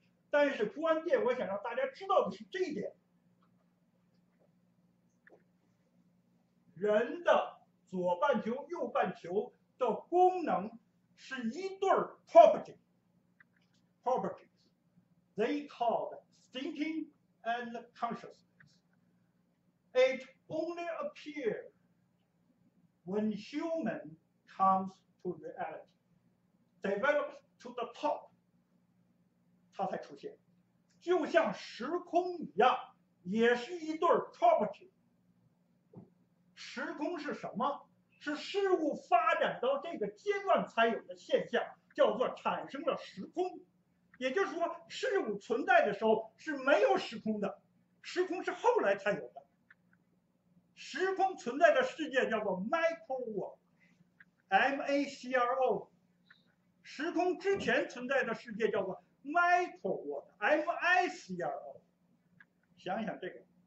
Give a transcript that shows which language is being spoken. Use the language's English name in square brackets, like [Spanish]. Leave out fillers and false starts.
[Chinese] 但是关键我想让大家知道的是这一点，人的左半球右半球的功能是一对 properties they called thinking and consciousness. [English] It only appears when human comes to reality, develops to the top, 它才出现，就像时空一样，也是一对 property。 [Chinese] 时空是什么？是事物发展到这个阶段才有的现象，叫做产生了时空。也就是说，事物存在的时候是没有时空的，时空是后来才有的。时空存在的世界叫做 macro world， 时空之前存在的世界叫做 micro world， 想想这个。